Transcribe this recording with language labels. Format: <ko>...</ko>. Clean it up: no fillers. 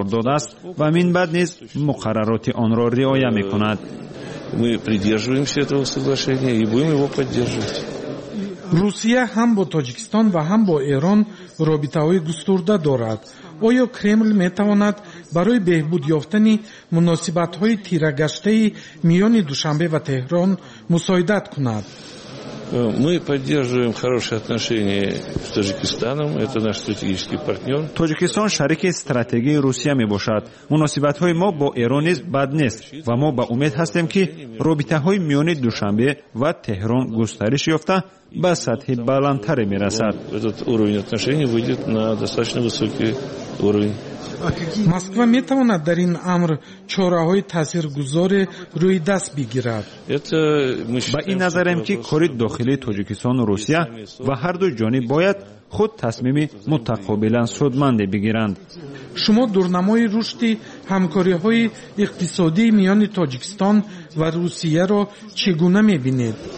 <fa>داده است و من بعد نیز مقررات آن را رعایت می کند.</fa> <ru>Мы придерживаемся этого соглашения и будем его поддерживать.</ru> <tg>Русия хам бо Таджикистан ва хам бо Иран робитаҳои густурда дорад. Оё Кремль метавонад барои беҳбуд ёфтани муносибатҳои тирагаштаи миёни Душанбе ва Теҳрон мусоидат кунад?</tg> <ru>Мы поддерживаем хорошие отношения с Таджикистаном, это наш стратегический партнер.</ru> <tg>Таджикистан шарики стратегии Русия мебошад. Муносибатҳои мо бо Ирон низ бад нест ва мо ба умед ҳастем ки робитаҳои миёни Душанбе ва Теҳрон густариш ёфта ба сатҳи баландтаре мерасад.</tg> <ru>Этот уровень отношений выйдет на достаточно высокий уровень.</ru> <tg>Москва метавонад дар ин амр чораҳои таъсиргузоре рӯи даст бигирад. Ба ин назарем ки кори дохили Тоҷикистон Русия ва ҳар ду ҷониб бояд худ тасмими мутақобилан судманде бигиранд. Шумо дурнамои рушди ҳамкориҳои иқтисодии миёни Тоҷикистон ва Русияро чӣ гуна мебинед?</tg>